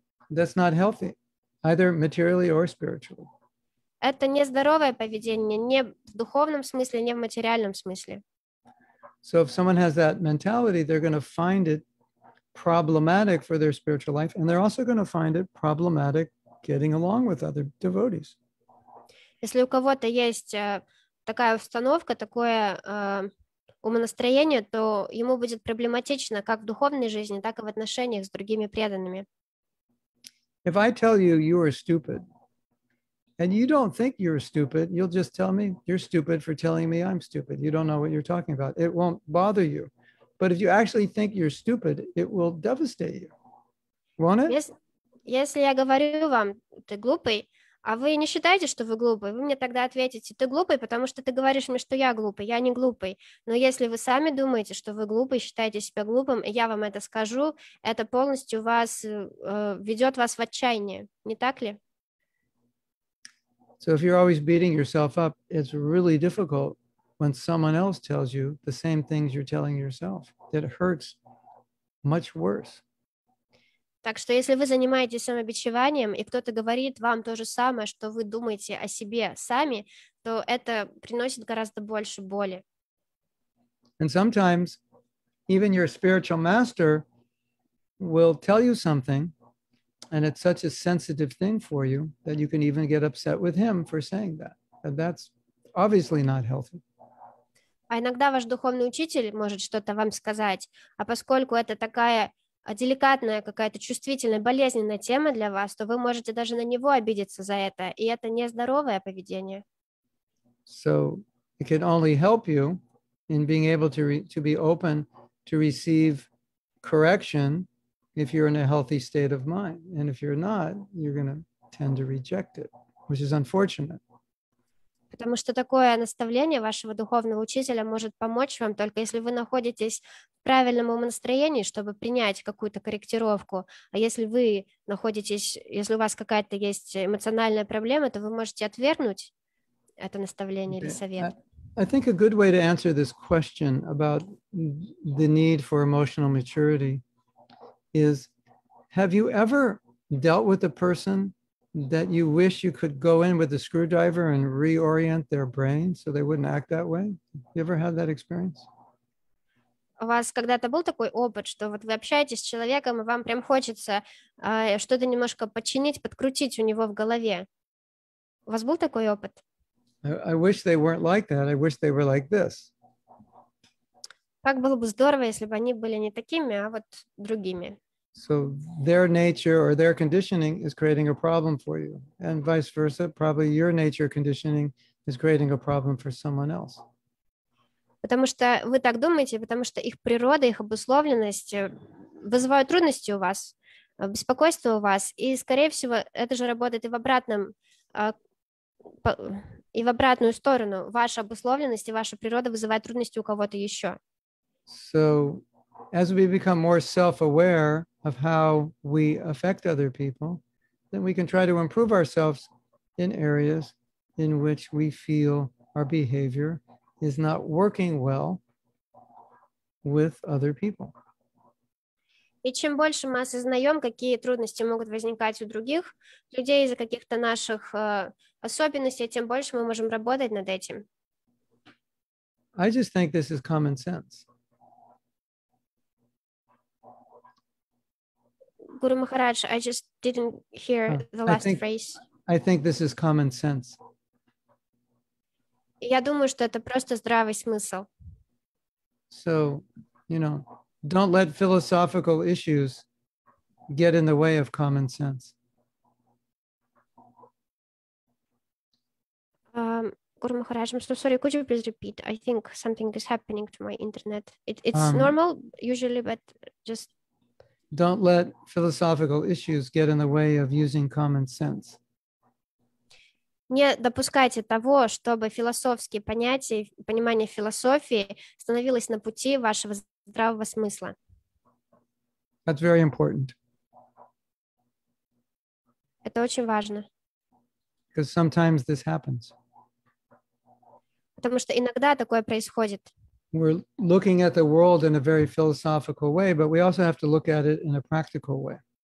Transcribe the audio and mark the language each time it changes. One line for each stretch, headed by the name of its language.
English: That's not healthy, either materially or spiritually.
Russian: Это нездоровое поведение, не в духовном смысле, не в материальном смысле.
English: So if someone has that mentality, they're going to find it problematic for their spiritual life, and they're also going to find it problematic getting along with other devotees.
Russian: Если у кого-то есть такая установка, такое умонастроение, то ему будет проблематично как в духовной жизни, так и в отношениях с другими преданными.
English: If I tell you you are stupid, and you don't think you're stupid, you'll just tell me you're stupid for telling me I'm stupid. You don't know what you're talking about. It won't bother you. But if you actually think you're stupid, it will devastate you. Won't it?
Russian: Если я говорю вам, ты глупый, а вы не считаете, что вы глупый, вы мне тогда ответите, ты глупый, потому что ты говоришь мне, что я глупый, я не глупый. Но если вы сами думаете, что вы глупый, считаете себя глупым, и я вам это скажу, это полностью вас ведет вас в отчаяние, не так ли?
English: So if you're always beating yourself up, it's really difficult when someone else tells you the same things you're telling yourself. That hurts much worse.
Russian: Так что если вы занимаетесь самобичеванием, и кто-то говорит вам то же самое, что вы думаете о себе сами, то это приносит гораздо больше боли.
English: And sometimes even your spiritual master will tell you something, and it's such a sensitive thing for you that you can even get upset with him for saying that. And that's obviously not healthy.
Russian: А иногда ваш духовный учитель может что-то вам сказать, а поскольку это такая деликатная, какая-то чувствительная, болезненная тема для вас, то вы можете даже на него обидеться за это, и это нездоровое поведение.
English: So it can only help you in being able to be open to receive correction if you're in a healthy state of mind. And if you're not, you're going to tend to reject it, which is unfortunate.
Russian: Потому что такое наставление вашего духовного учителя может помочь вам только если вы находитесь в правильном настроении, чтобы принять какую-то корректировку. А если вы находитесь, если у вас какая-то есть эмоциональная проблема, то вы можете отвергнуть это наставление или совет.
English: I think a good way to answer this question about the need for emotional maturity is, have you ever dealt with a person that you wish you could go in with a screwdriver and reorient their brain so they wouldn't act that way? You ever had that experience?
Russian: У вас когда-то был такой опыт, что вот вы общаетесь с человеком, и вам прям хочется что-то немножко починить, подкрутить у него в голове? У вас был такой опыт?
English: I wish they weren't like that. I wish they were like this.
Russian: Как было бы здорово, если бы они были не такими, а вот другими.
English: So their nature or their conditioning is creating a problem for you, and vice versa. Probably your nature conditioning is creating a problem for someone else.
Russian: Потому что вы так думаете, потому что их природа, их обусловленность вызывают трудности у вас, беспокойство у вас, и, скорее всего, это же работает и в обратную сторону. Ваша обусловленность и ваша природа вызывает трудности у кого-то еще.
English: So as we become more self-aware of how we affect other people, then we can try to improve ourselves in areas in which we feel our behavior is not working well with other people.
Russian: И чем больше мы осознаем, какие трудности могут возникать у других людей из-за каких-то наших особенностей, тем больше мы можем работать над этим.
English: I just think this is common sense. Guru Maharaj, I just didn't hear the last phrase. I think this is common sense.
Russian: Я думаю, что это просто здравый смысл.
English: So, you know, don't let philosophical issues get in the way of common sense. Guru Maharaj, I'm so sorry. Could you please repeat? I think something is happening to my internet. It's normal usually, but just... Don't let philosophical issues get in the way of using common sense.
Russian: Не допускайте того, чтобы философские понятия, понимание философии становилось на пути вашего здравого смысла.
English: That's very important.
Russian: Это очень важно.
English: Because sometimes this happens.
Russian: Потому что иногда такое происходит.
English: We're looking at the world in a very philosophical way, but we also have to look at it in a practical way.